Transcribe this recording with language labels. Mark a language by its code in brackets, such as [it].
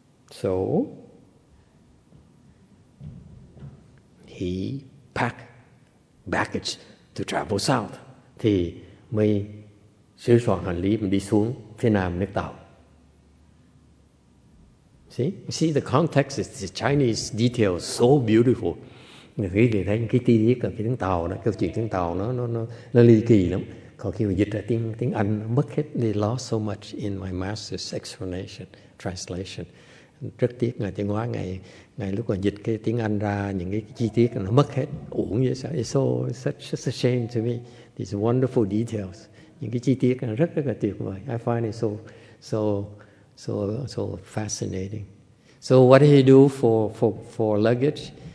[en] So he packed baggage to travel south. [vi] Thì mới sửa soạn hành lý mình đi xuống phía nam nước Tàu. [en] See, the context is the Chinese detail is so beautiful. [vi] Người quý vị thấy cái chi tiết là cái tiếng Tàu đó, câu chuyện tiếng Tàu nó ly kỳ lắm. Còn khi mà dịch ra tiếng Anh nó mất hết. [en] They lost so much in my master's explanation, translation. [vi] Rất tiếc là tiếng Hoa ngày lúc mà dịch cái tiếng Anh ra những cái chi tiết nó mất hết. Uổng vậy sao? [en] It's so such a shame to me. These wonderful details. [vi] Những cái chi tiết rất là tuyệt vời. [en] I find it so so So fascinating. So what did he do for luggage?